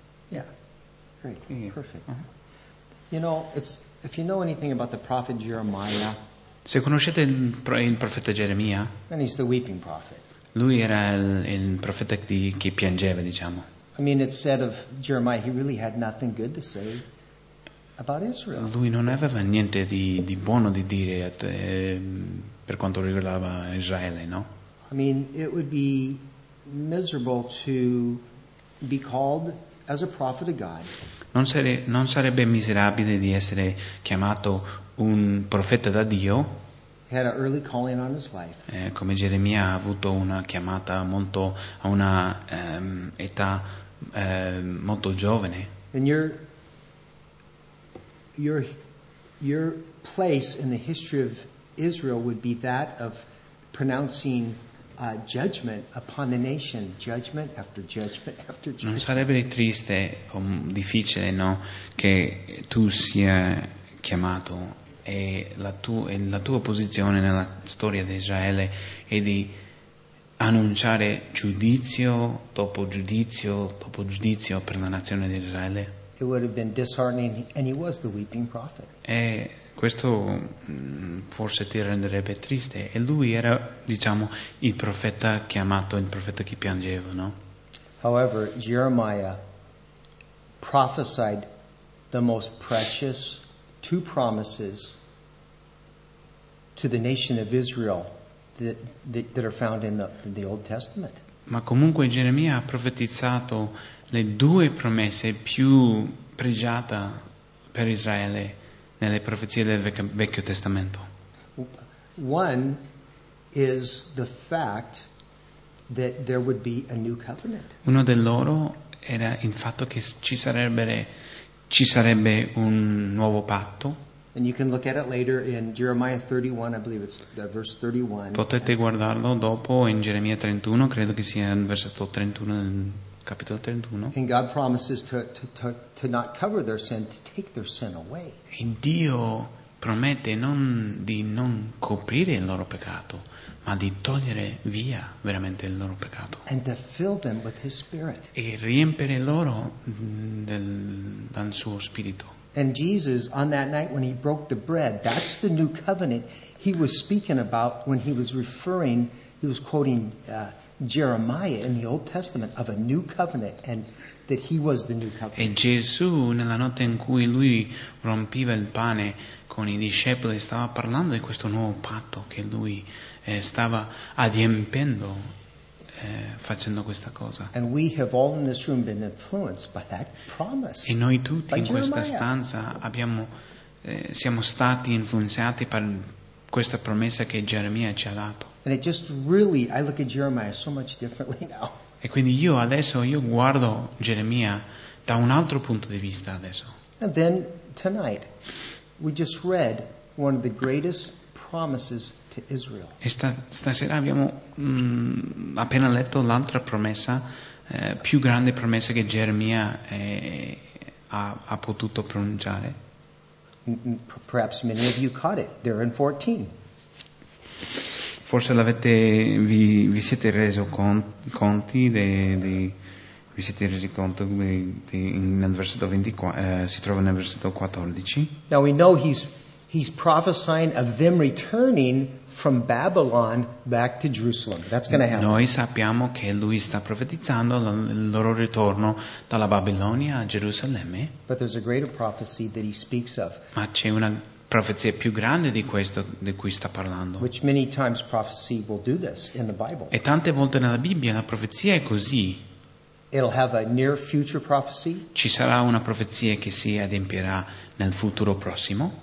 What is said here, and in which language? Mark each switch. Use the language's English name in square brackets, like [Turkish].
[English] You know, it's, if you know anything about the prophet Jeremiah, [Italian] se conoscete il profeta Geremia, [English] then he's the weeping prophet. [Italian] Lui era il profeta che piangeva, diciamo. [English] I mean, it's said of Jeremiah, he really had nothing good to say about Israel. [Italian] Lui non aveva niente di buono di dire per quanto riguardava Israele, no? [English] I mean, it would be miserable to be called as a prophet of God. [Italian] Non sarebbe miserabile di essere chiamato un profeta da Dio. [English] He had an early calling on his life. [Italian] Come Geremia ha avuto una chiamata molto a una età molto giovane. [English] And your place in the history of Israel would be that of pronouncing judgment upon the nation, judgment after judgment after judgment. [Italian] Non sarebbe triste o difficile, no, che tu sia chiamato e la tua posizione nella storia di Israele è di annunciare giudizio dopo giudizio per la nazione di Israele? [English] It would have been disheartening, and he was the weeping prophet. [Italian] E questo forse ti renderebbe triste. E lui era, diciamo, il profeta chiamato, il profeta che piangeva, no? [English] However, Jeremiah prophesied the most precious two promises to the nation of Israel that are found in the Old Testament. [Italian] Ma comunque Geremia ha profetizzato le due promesse più pregiate per Israele nelle profezie del Vecchio Testamento. [English] One is the fact that there would be a new covenant. [Italian] Uno di loro era il fatto che ci sarebbe un nuovo patto. [English] And you can look at it later in Jeremiah 31, I believe it's verse 31. [Italian] Potete guardarlo dopo in Geremia 31, credo che sia in versetto 31 del capitolo 31. [English] And God promises to not cover their sin, to take their sin away. [Italian] E Dio promette di non coprire il loro peccato, ma di togliere via veramente il loro peccato. [English] And to fill them with his spirit. [Italian] E riempire loro dal suo spirito. [English] And Jesus, on that night when he broke the bread, that's the new covenant he was speaking about when he was referring, he was quoting Jeremiah in the Old Testament of a new covenant, and that he was the new covenant. [Italian] E Gesù, nella notte in cui lui rompeva il pane con i discepoli, stava parlando di questo nuovo patto che lui stava adempendo, facendo questa cosa. [English] And we have all in this room been influenced by that promise. [Italian] E noi tutti in questa stanza siamo stati influenzati per questa promessa che Geremia ci ha dato. [English] And it just really, I look at Jeremiah so much differently now. [Italian] E quindi io adesso guardo Geremia da un altro punto di vista adesso. [English] And then tonight we just read one of the greatest promises to Israel. [Italian] E stasera abbiamo appena letto l'altra promessa, più grande promessa che Geremia ha potuto pronunciare. [English] Perhaps many of you caught it. They're in 14. [Italian] Forse vi siete reso conti vi siete resi conto nel versetto 24, si trova nel versetto 14. [English] Now we know he's prophesying of them returning from Babylon back to Jerusalem. That's going to happen. [Italian] Noi sappiamo che lui sta profetizzando il loro ritorno dalla Babilonia a Gerusalemme. [English] But there's a greater prophecy that he speaks of. [Italian] Ma c'è una profezia più grande di questo di cui sta parlando. [English] Which many times prophecy will do this in the Bible. [Italian] E tante volte nella Bibbia la profezia è così. [English] It'll have a near future prophecy. [Italian] Ci sarà una profezia che si adempierà nel futuro prossimo.